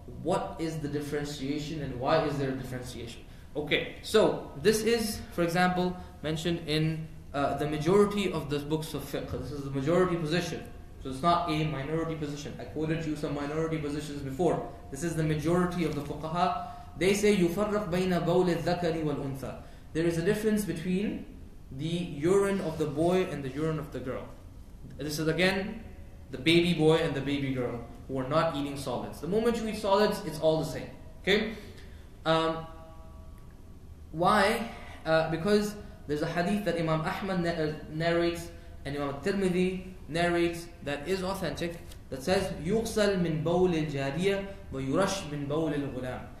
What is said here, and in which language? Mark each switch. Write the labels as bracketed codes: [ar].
[en] What is the differentiation and why is there a differentiation? Okay, so this is, for example, mentioned in the majority of the books of fiqh. This is the majority position. So it's not a minority position. I quoted you some minority positions before. This is the majority of the fuqaha. They say [ar] يُفَرَّقْ بَيْنَ بَوْلِ الذَّكَرِ وَالْأُنْثَى. [en] There is a difference between the urine of the boy and the urine of the girl. This is again the baby boy and the baby girl who are not eating solids. The moment you eat solids, it's all the same. Okay? Why? Because there's a hadith that Imam Ahmad narrates and Imam Tirmidhi narrates that is authentic, that says [ar] يُغْسَلْ مِنْ بَوْلِ الْجَارِيَةِ وَيُرَشْ مِنْ بَوْلِ الْغُلَامِ.